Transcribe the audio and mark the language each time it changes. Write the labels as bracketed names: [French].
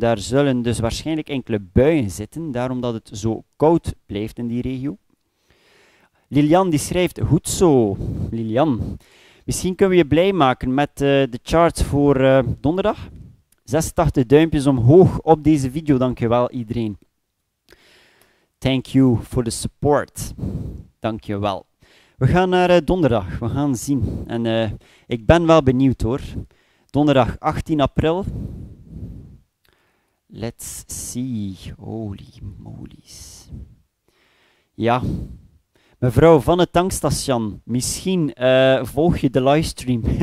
[Dutch] Daar zullen dus waarschijnlijk enkele buien zitten, daarom dat het zo koud blijft in die regio. Lilian die schrijft, goed zo, Lilian. Misschien kunnen we je blij maken met de charts voor donderdag. 86 duimpjes omhoog op deze video, dankjewel iedereen. [English] Thank you for the support. [Dutch] Dank je wel. We gaan naar donderdag. We gaan zien. En ik ben wel benieuwd hoor. Donderdag 18 april. [English] Let's see. Holy molies. [Dutch] Ja. Mevrouw van het tankstation. Misschien volg je de livestream.